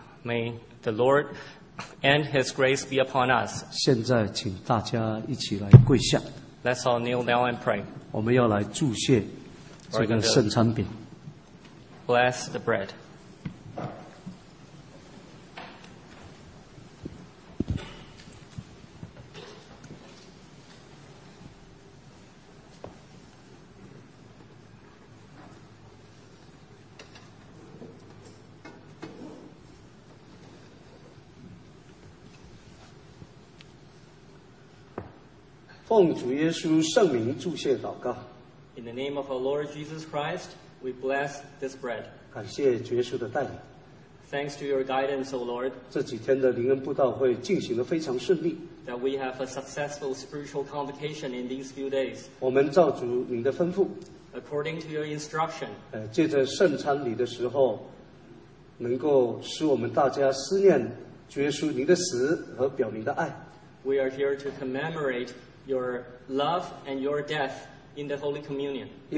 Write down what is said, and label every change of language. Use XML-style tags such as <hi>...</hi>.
<en>May the Lord and His grace be upon us.</en> <zh>现在请大家一起来跪下。</zh> <en>Let's all kneel down and pray.</en> <zh>我们要来祝谢这个圣餐饼。</zh> <en>Bless the bread.</en> <zh>奉主耶稣圣名祝谢祷告。</zh> <en>In the name of our Lord Jesus Christ, we bless this bread.</en> <zh>感谢主耶稣的带领。</zh> <en>Thanks to your guidance, O Lord.</en> <zh>这几天的灵恩布道会进行得非常顺利。</zh> <en>That we have a successful spiritual convocation in these few days.</en> <zh>我们照主您的吩咐。</zh> <en>According to your instruction.</en> <zh>借着圣餐礼的时候，能够使我们大家思念主耶稣您的死和表明的爱。</zh> <en>We are here to commemorate your love and your death in the Holy Communion.</en>